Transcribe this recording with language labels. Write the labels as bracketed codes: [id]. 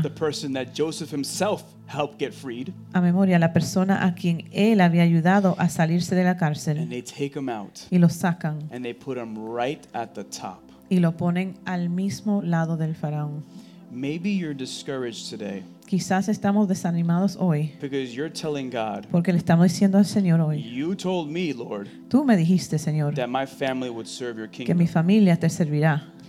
[en] the person that Joseph himself helped get freed [es] a memoria la persona a quien él había ayudado a salirse de la cárcel [en] and they take him out [es] y lo sacan [en] and they put him right at the top [es] y lo ponen al mismo lado del faraón. [en] Maybe you're discouraged today. [es] Quizás estamos desanimados hoy. [en] Because you're telling God. [es] Porque le estamos diciendo al Señor hoy. [en] You told me, Lord. [es] Tú me dijiste, Señor. [en] That my family would serve your kingdom. [es] Que mi familia te servirá.